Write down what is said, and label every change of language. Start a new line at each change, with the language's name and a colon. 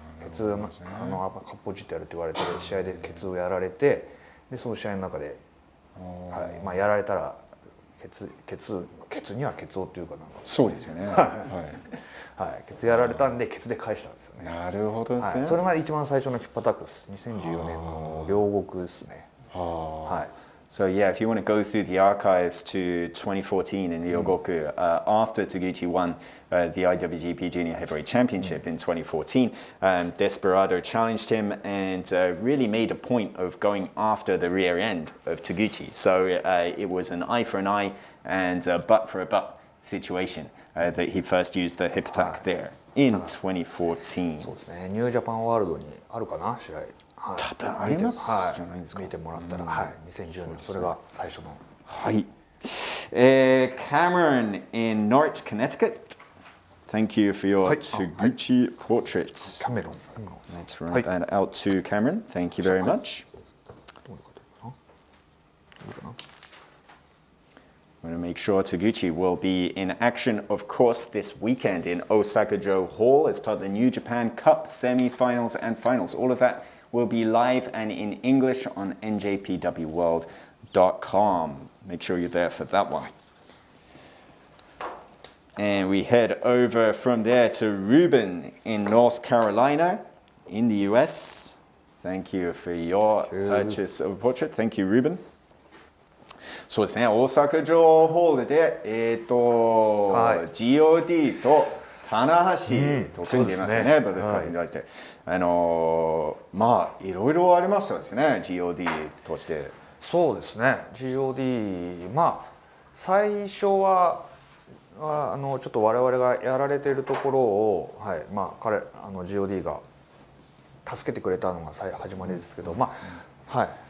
Japanese: ケツ、ね、カッポジってやるって言われて、試合でケツをやられて、でその試合の中で、はい、まあ、やられたらケツにはケツをっていうか、なんかそうですよね、はい、はいはい、ケツやられたんでケツで返したんですよね。なるほどですね、はい、それが一番最初のヒップアタックです。 2014年の両国ですね。あ、はい、
English: So yeah, if you want to go through the archives to 2014 in Ryogoku, after Taguchi won the IWGP Junior Heavyweight Championship in 2014, Desperado challenged him and really made a point of going after the rear end of Taguchi. So it was an eye for an eye and a butt for a butt situation that he first used the hip attack there in 2014.
Japanese: そうですね。ニュージャパンワールドにあるかな、試合。多分ありますじゃないですか、はい、見てもらったら、うん、はい、2010年それが最初の、
English: はい、Cameron in North Connecticut Thank you for your、はい、Taguchi、はい、portraits
Japanese: カメロン
English: Let's run、はい、that out to Cameron Thank you very much、はい、I want to make sure Taguchi will be in action of course this weekend in Osakajō Hall as part of the New Japan Cup semi-finals and finals All of that will be live and in English on njpwworld.com Make sure you're there for that one. And we head over from there to Ruben in North Carolina, in the US. Thank you for your purchase of a portrait. Thank you, Ruben.
Japanese: そうですね、大阪城ホールで、はい、GOD と棚橋と組んでいますよね、バルカリに対して。あの、まあ、いろいろありましたですね、GOD として。そうですね、GOD、まあ、最初はあのちょっと我々がやられているところを、はい、まあ、彼あの GOD が助けてくれたのが始まりですけど、うん、まあ、はい、